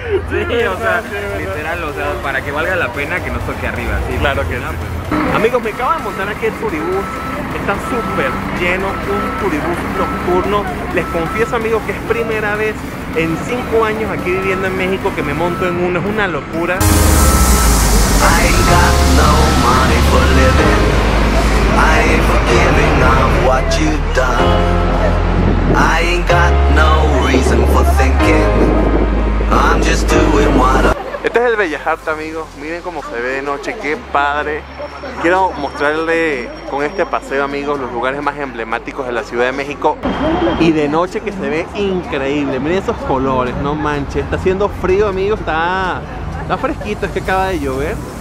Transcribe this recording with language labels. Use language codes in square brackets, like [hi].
[es] Sí, o sea, literal, o sea, para que valga la pena que nos toque arriba, sí. Claro que no, sí. Pues, amigos, me acaban de montar aquí el Turibus. Está súper lleno, un Turibus nocturno. Les confieso, amigos, que es primera vez en 5 años aquí viviendo en México que me monto en uno. Es una locura. [en] I got no money for living. I ain't forgiving of what you done. I ain't got no reason for thinking. I'm just doing what I... [es] Este es el Bellas Artes, amigos. Miren cómo se ve de noche, qué padre. Quiero mostrarle con este paseo, amigos, los lugares más emblemáticos de la Ciudad de México. Y de noche que se ve increíble. Miren esos colores, no manches. Está haciendo frío, amigos. Está fresquito, es que acaba de llover.